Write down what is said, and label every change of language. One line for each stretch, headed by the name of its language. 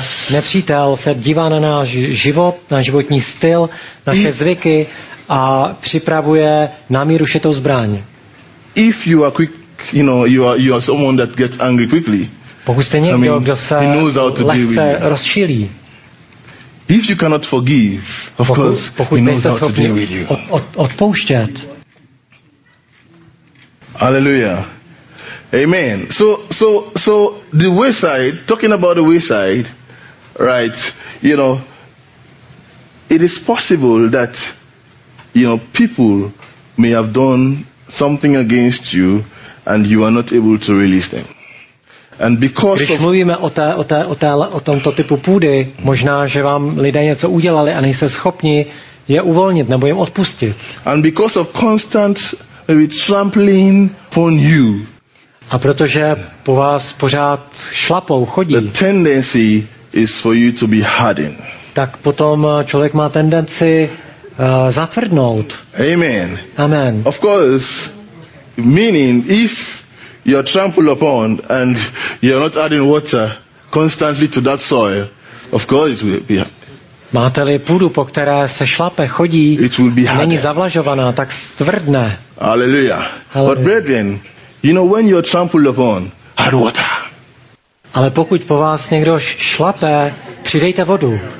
Czech: Nepřítel se dívá na náš život, na životní styl, naše zvyky a připravuje na míru šitou zbraň.
English: If you are quick, you know, you are someone that gets angry quickly.
Czech: Pokud jste někdo, kdo se lehce rozčilí.
English: If you cannot forgive, of course, he knows how to deal with you.
Czech: Odpouštět. Hallelujah. Amen.
English: So the wayside, talking about the wayside, right, you know, it is possible that, you know, people may have done something against you and you are not able to release them. And because
Czech: když mluvíme o tomto typu půdy, možná že vám lidé něco udělali a nejste schopni je uvolnit nebo jim odpustit.
English: And because of constant maybe trampling upon you.
Czech: A protože po vás pořád šlapou chodí.
English: The tendency is for you to be hardened.
Czech: Tak potom člověk má tendenci zatvrdnout. Amen. Amen.
English: Of course, meaning if you're trampled upon and you're not adding water constantly to that soil, of course it will be.
Czech: Máte-li půdu, po které se šlape, chodí,
English: it will be
Czech: není zavlažovaná, tak stvrdne. Hallelujah. Hallelujah.
English: But brethren, you know, when you're trampled upon, add water.
Czech: Ale pokud po vás někdo šlape, přidejte vodu.